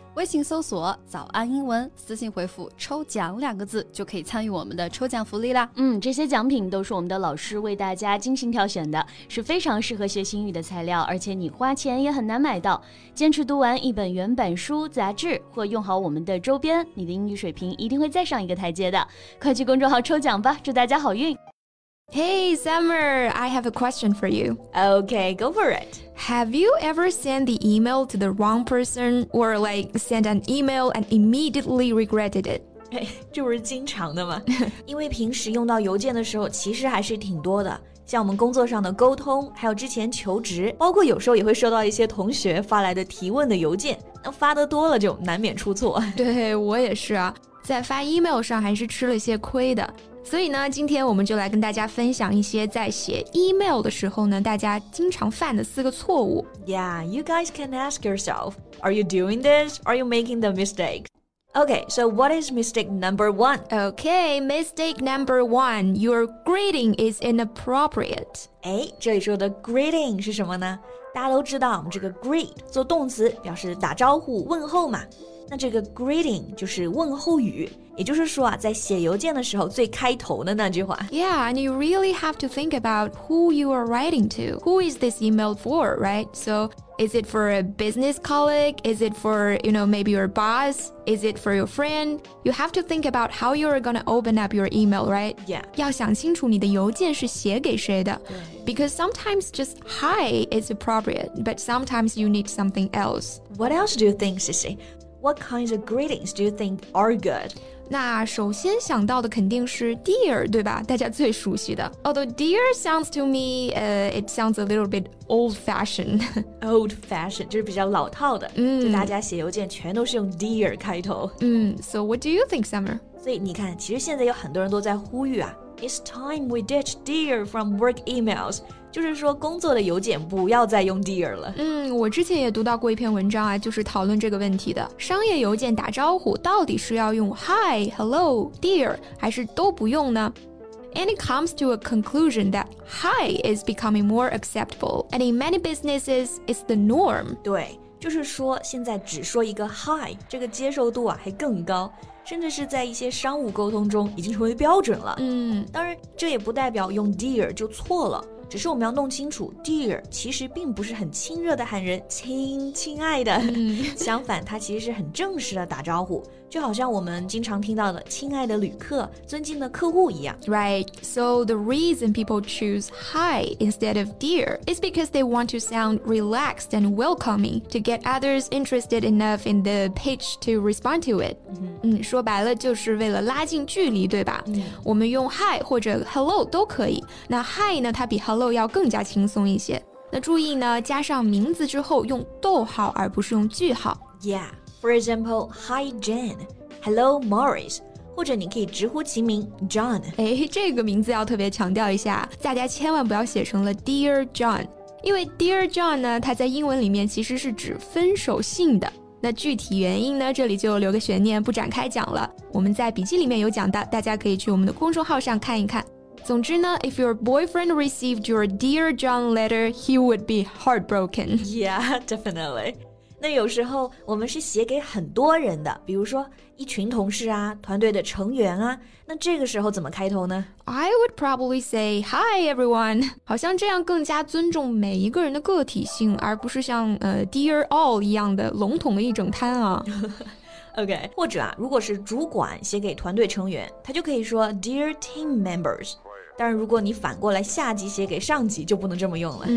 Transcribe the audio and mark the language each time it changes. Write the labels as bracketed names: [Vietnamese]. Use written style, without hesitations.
[Chinese] 微信搜索早安英文，私信回复抽奖两个字就可以参与我们的抽奖福利啦。嗯，这些奖品都是我们的老师为大家精心挑选的，是非常适合学英语的材料，而且你花钱也很难买到。坚持读完一本原版书、杂志或用好我们的周边，你的英语水平一定会再上一个台阶的。快去公众号抽奖吧，祝大家好运。 [English] Hey, Summer, I have a question for you. Okay, go for it. Have you ever sent the email to the wrong person or like sent an email and immediately regretted it? [Chinese] 这不是经常的吗？因为平时用到邮件的时候其实还是挺多的，像我们工作上的沟通，还有之前求职，包括有时候也会收到一些同学发来的提问的邮件，那发得多了就难免出错。对，我也是啊，在发 email 上还是吃了些亏的。所以呢，今天我们就来跟大家分享一些在写 email 的时候呢，大家经常犯的四个错误。 [English] Yeah, you guys can ask yourself, are you doing this? Are you making the mistake? Okay, so what is mistake number one? Okay, mistake number one, your greeting is inappropriate. [Chinese] 哎，这里说的 greeting 是什么呢？大家都知道我们这个 greet 做动词表示打招呼、问候嘛。那这个 greeting 就是问候语，也就是说啊，在写邮件的时候最开头的那句话。 [English] Yeah, and you really have to think about who you are writing to. Who is this email for, right? So, is it for a business colleague? Is it for, you know, maybe your boss? Is it for your friend? You have to think about how you are going to open up your email, right? Yeah. [Chinese] 要想清楚你的邮件是写给谁的。对。 [English] Because sometimes just hi is appropriate, but sometimes you need something else. What else do you think, Sissy? What kinds of greetings do you think are good? [Chinese] 那首先想到的肯定是 dear, 对吧？大家最熟悉的。 [English] Although dear sounds to me, it sounds a little bit old-fashioned. [Chinese] Old-fashioned, 就是比较老套的。嗯，就大家写邮件全都是用 dear 开头。 [English] 嗯， so what do you think, Summer? [Chinese] 所以你看，其实现在有很多人都在呼吁啊。 [English] It's time we ditch dear from work emails. [Chinese] 就是说工作的邮件不要再用 dear 了。嗯，我之前也读到过一篇文章啊，就是讨论这个问题的。商业邮件打招呼到底是要用 hi, hello, dear, 还是都不用呢？ [English] And it comes to a conclusion that hi is becoming more acceptable, and in many businesses, it's the norm. [Chinese] 对，就是说现在只说一个 hi, 这个接受度啊还更高。甚至是在一些商务沟通中已经成为标准了。嗯，当然这也不代表用 dear 就错了，只是我们要弄清楚 dear 其实并不是很亲热的喊人亲亲爱的、嗯、相反它其实是很正式的打招呼，就好像我们经常听到的亲爱的旅客、尊敬的客户一样。 [English] Right, so the reason people choose hi instead of dear is because they want to sound relaxed and welcoming to get others interested enough in the pitch to respond to it、 [Chinese] 嗯、说白了就是为了拉近距离，对吧、嗯、我们用 hi 或者 hello 都可以，那 hi 呢它比Hello 要更加轻松一些。那注意呢，加上名字之后用逗号而不是用句号。 [English] Yeah, for example, Hi Jane, Hello Morris, [Chinese] 或者你可以直呼其名 [English] John。 [Chinese] 哎，这个名字要特别强调一下，大家千万不要写成了 Dear John, 因为 Dear John 呢，它在英文里面其实是指分手信的。那具体原因呢，这里就留个悬念，不展开讲了。我们在笔记里面有讲到，大家可以去我们的公众号上看一看。总之呢， [English] if your boyfriend received your Dear John letter, he would be heartbroken. Yeah, definitely. [Chinese] 那有时候我们是写给很多人的，比如说一群同事啊，团队的成员啊，那这个时候怎么开头呢？ [English] I would probably say, hi everyone. [Chinese] 好像这样更加尊重每一个人的个体性，而不是像Dear All 一样的笼统的一整摊啊。 OK, 或者啊，如果是主管写给团队成员，他就可以说 Dear Team Members。但如果你反过来下级写给上级就不能这么用了。